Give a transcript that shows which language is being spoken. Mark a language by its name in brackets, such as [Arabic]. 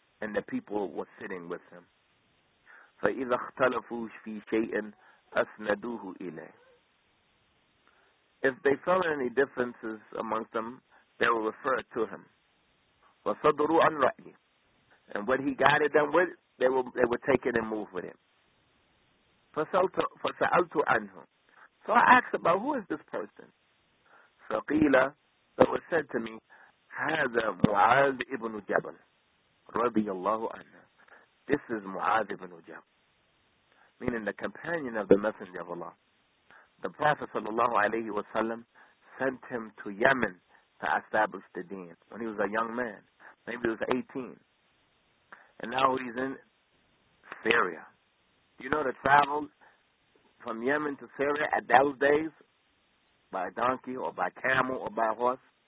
[English] And the people were sitting with him. [Arabic] فإذا اختلفوا في شيء أسندوه إليه. [English] If they saw any differences amongst them, they will refer to him. [Arabic] وَصَدُرُوا عَنْ رَأْيِهِ. [English] And what he guided them with, they will take it and move with him. [Arabic] فَسَأَلْتُ عَنْهُ. [English] So I asked about, who is this person? [Arabic] فَقِيلَ. [English] So it was said to me, [Arabic] هَذَا مُعَاذِ إِبْنُ جَبَلٍ رَضِيَ اللَّهُ عَنْهُ. [English] This is Mu'adh ibn Jabal, meaning the companion of the Messenger of Allah. The Prophet sallallahu alayhi wa sallam sent him to Yemen to establish the deen when he was a young man. Maybe he was 18. And now he's in Syria. You know, the travel from Yemen to Syria at those days by donkey or by camel or by horse.